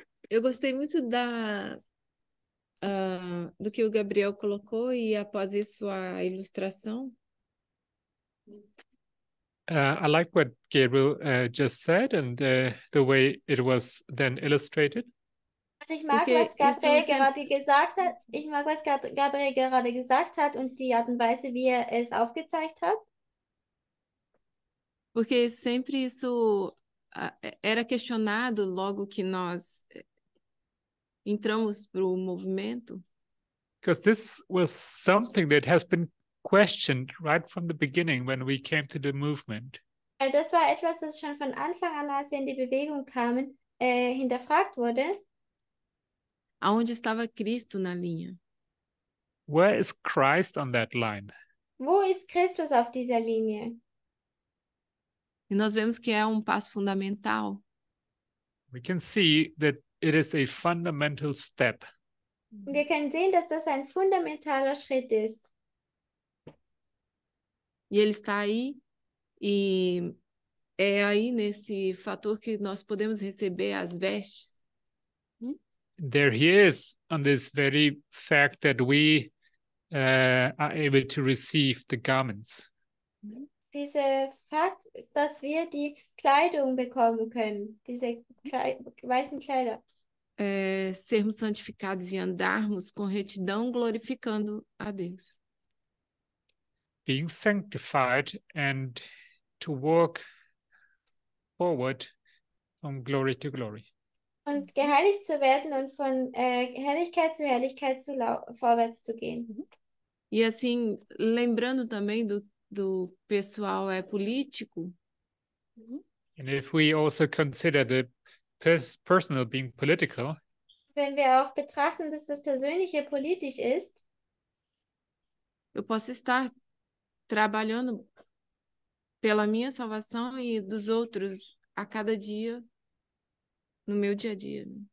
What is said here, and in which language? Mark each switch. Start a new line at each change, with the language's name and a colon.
Portuguese: Eu gostei muito da do que o Gabriel colocou e após isso a ilustração.
English: I like what Gabriel just said and the way it was then illustrated.
German: Also ich mag, was Gabriel gerade gesagt hat. Ich mag, was Gabriel gerade gesagt hat und die Art und Weise, wie er es aufgezeigt hat.
Portuguese: Porque sempre isso era questionado logo que nós entramos pro movimento.
English: Because this was something that has been questioned right from the beginning when we came to the movement.
German: Das war etwas, das schon von Anfang an, als wir in die Bewegung kamen, hinterfragt wurde.
Portuguese: Aonde estava Cristo na linha?
English: Where is Christ on that line?
German: Wo ist Christus auf dieser Linie?
Portuguese: E nós vemos que é passo fundamental.
English: We can see that it is a fundamental step.
German: Wir können sehen, dass das ein fundamentaler Schritt ist.
Portuguese: E ele está aí, e é aí nesse fator que nós podemos receber as vestes.
English: There he is, on this very fact that we are able to receive the garments.
German: Dieser Fakt, dass wir die Kleidung bekommen können, diese weißen Kleider.
Portuguese: Sermos santificados e andarmos com retidão, glorificando a Deus.
English: Being sanctified and to walk forward from glory to glory.
German: Und geheiligt zu werden und von Herrlichkeit zu Herrlichkeit zu vorwärts zu gehen.
Portuguese: E assim, lembrando também do pessoal político.
English: And if we also consider the personal being political.
German: Wenn wir auch betrachten, dass das Persönliche politisch ist.
Portuguese: Eu posso estar trabalhando pela minha salvação e dos outros a cada dia, no meu dia a dia.